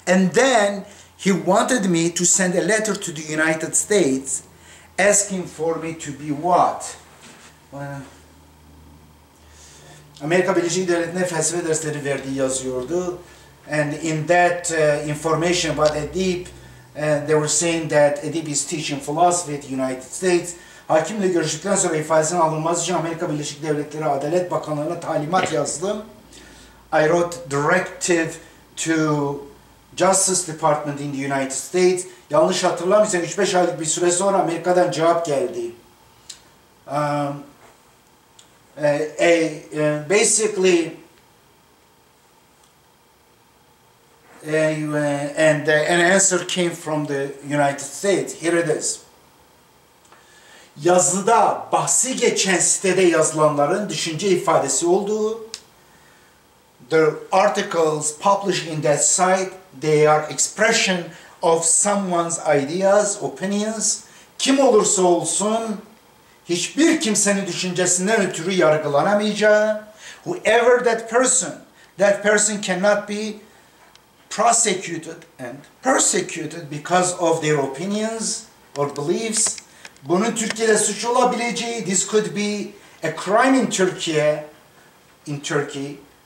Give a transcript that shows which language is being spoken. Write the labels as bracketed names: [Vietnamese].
[English] And then he wanted me to send a letter to the United States asking for me to be what? [Turkish] Amerika Birleşik Devletleri'ne felsefe dersleri verdiği yazıyordu. [English] And in that information about Edip, they were saying that Edip is teaching philosophy at the United States. [Turkish] Hakimle görüştükten sonra ifadesini alınması için Amerika Birleşik Devletleri Adalet Bakanlığı'na talimat yazdım. [English] I wrote directive to Justice Department in the United States. [Turkish] Yanlış hatırlamıyorsam 3-5 aylık bir süre sonra Amerika'dan cevap geldi. [English] Basically, an answer came from the United States. Here it is. [Turkish] Yazıda bahsi geçen sitede yazılanların düşünce ifadesi olduğu, [English] the articles published in that site, they are expression of someone's ideas, opinions. [Turkish] Kim olursa olsun, hiçbir kimsenin düşüncesinden ötürü yargılanamayacağı. [English] Whoever that person cannot be prosecuted and persecuted because of their opinions or beliefs. [Turkish] Bunun Türkiye'de suç olabileceği, [English] this could be a crime in Türkiye, in Turkey.